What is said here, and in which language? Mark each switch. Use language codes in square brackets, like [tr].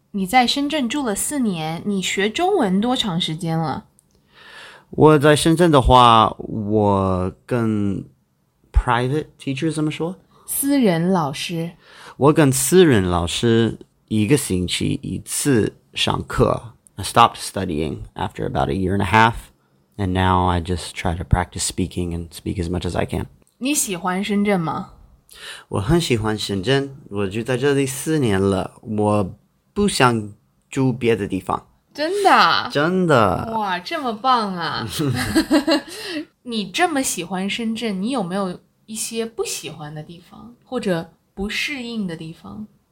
[zh] 你在深圳住了四年，你学中文多长时间了？我在深圳的话，我跟 [en] private teacher [zh] 怎么说？私人老师。我跟私人老师一个星期一次上课。 [en] I stopped studying after about a year and a half. And now I just try to practice speaking and speak as much as I can. [zh] 你喜欢深圳吗？我很喜欢深圳，我住在这里四年了，我不想住别的地方。真的？真的。哇，这么棒啊。你这么喜欢深圳，你有没有一些不喜欢的地方，或者不适应的地方？